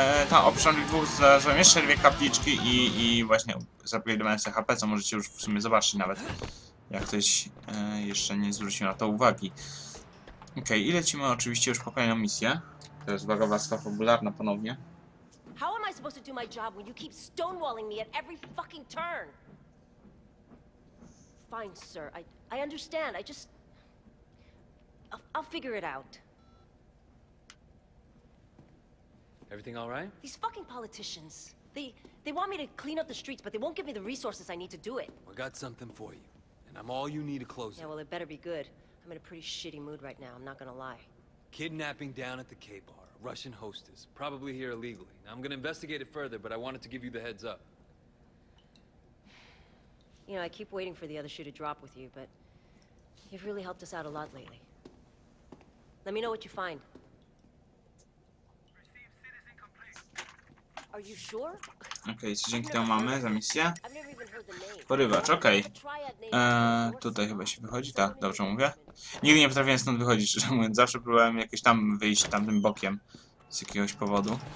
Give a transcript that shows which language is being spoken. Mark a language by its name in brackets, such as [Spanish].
[Polish] Tam oprócz tych dwóch znalazłem jeszcze dwie kapliczki i właśnie zapowiadałem sobie HP, co możecie już w sumie zobaczyć nawet, jak ktoś jeszcze nie zwrócił na to uwagi. Okej, okay, i lecimy oczywiście już po kolejną misję. To jest uwaga warstwa popularna ponownie. [English] How am I supposed to do my job when you keep stonewalling me at every fucking turn? Fine, sir. I understand. I just... I'll figure it out. Everything all right? These fucking politicians. They want me to clean up the streets, but they won't give me the resources I need to do it. I got something for you. And I'm all you need to close it. Yeah, well, it better be good. I'm in a pretty shitty mood right now, I'm not gonna lie. Kidnapping down at the K-Bar. Russian hostess. Probably here illegally. Now, I'm gonna investigate it further, but I wanted to give you the heads up. You know, I keep waiting for the other shoe to drop with you, but you've really helped us out a lot lately. Let me know what you find. Are you sure? Okay, so [Polish] dzięki temu mamy za misję. Porywacz, okej. Okay. Tutaj chyba się wychodzi, tak, dobrze mówię. Nigdy nie potrafiłem stąd wychodzić, szczerze mówiąc. Zawsze próbowałem jakieś tam wyjść tamtym bokiem z jakiegoś powodu.